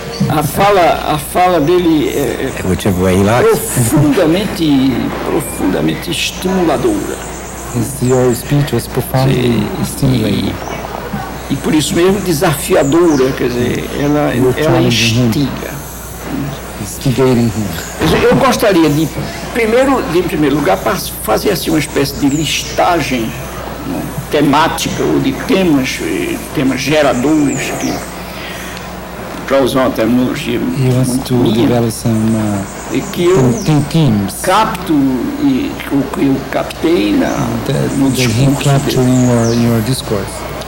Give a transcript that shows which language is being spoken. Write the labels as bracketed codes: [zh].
[pt] A fala dele é profundamente, profundamente estimuladora. [en] Your speech was profoundly stimulating. [pt] E por isso mesmo desafiadora, quer dizer, ela instiga. [en] Instigating him. [pt] Eu gostaria em primeiro lugar, fazer assim uma espécie de listagem, né, temática ou de temas geradores que, para usar uma terminologia muito minha, que eu capto, e o que eu captei no discurso.